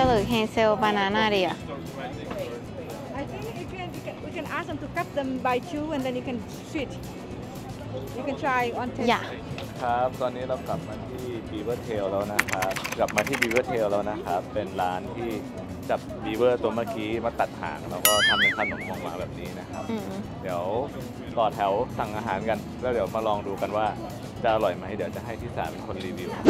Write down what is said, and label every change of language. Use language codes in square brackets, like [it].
[th] เฮเซลบานาน่าเดีย [en] ว I think if you can, we can ask them to cut them by two and then you can switch. You can try on test. Yeah. [th] ครับตอนนี้เรากลับมาที่ Beaver Tail แล้วนะครับกลับมาที่ Beaver Tail แล้วนะครับเป็นร้านที่จับ Beaver ตัวเมื่อกี้มาตัดหางแล้วก็ทำเป็นขนมออกมาแบบนี้นะครับเดี๋ยวต่อแถวสั่งอาหารกันแล้วเดี๋ยวมาลองดูกันว่าจะอร่อยไหมเดี๋ยวจะให้พี่สาวเป็นคนรีวิว